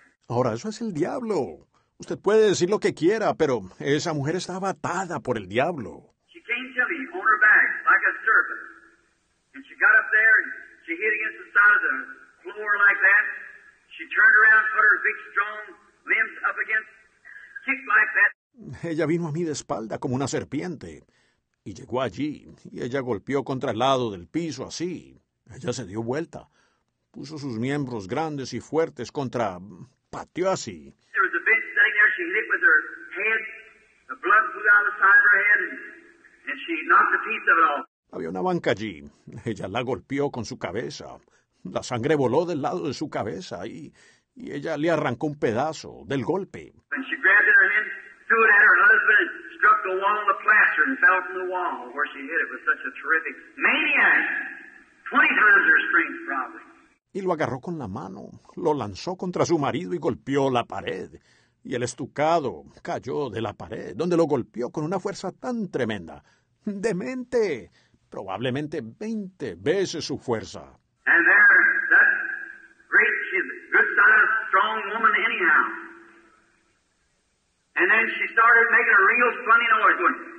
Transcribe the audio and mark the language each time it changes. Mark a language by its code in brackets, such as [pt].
[es] Ahora, eso es el diablo. Usted puede decir lo que quiera, pero esa mujer estaba atada por el diablo. [en] She came to me on her back like a serpent. And she got up there and she hit against the side of the floor like that. She turned around, put her big strong limbs up against, kicked like that. [es] Ella vino a mí de espalda como una serpiente. Y llegó allí, y ella golpeó contra el lado del piso, así. Ella se dio vuelta, puso sus miembros grandes y fuertes contra... pateó así. [en] There was a bitch sitting there, she hit with her head, the blood flew out of the side of her head, and she knocked the teeth of it off. [es] Había una banca allí, ella la golpeó con su cabeza, la sangre voló del lado de su cabeza, y ella le arrancó un pedazo del golpe. [en] And she grabbed it in her hand, threw it at her husband, struck the wall of the plaster and fell from the wall where she hit it with such a terrific maniac. 20 times her strength, probably. [es] Y lo agarró con la mano, lo lanzó contra su marido y golpeó la pared. Y el estucado cayó de la pared, donde lo golpeó con una fuerza tan tremenda. ¡Demente! Probablemente 20 veces su fuerza. [en] And there, that great, she's a good-sized, strong woman anyhow. And then she started making a real funny noise, going,